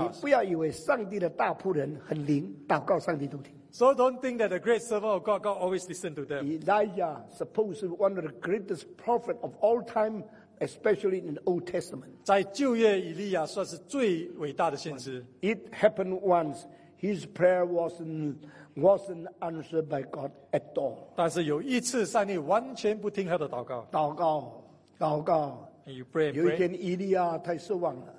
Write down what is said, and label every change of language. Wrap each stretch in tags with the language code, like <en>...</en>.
<zh>你不要以为上帝的大仆人很灵祷告上帝都听。</zh> <en>So don't think that the great servant of God, God always listened to them. Elijah, supposedly one of the greatest prophets of all time, especially in the Old Testament.</en> <zh>在旧约以利亚算是最伟大的先知。</zh> <en>It happened once. His prayer wasn't answered by God at all.</en> <zh>但是有一次上帝完全不听他的祷告。祷告，祷告。</zh> <en>And you pray and pray.</en> <zh>有一天以利亚太失望了。</zh>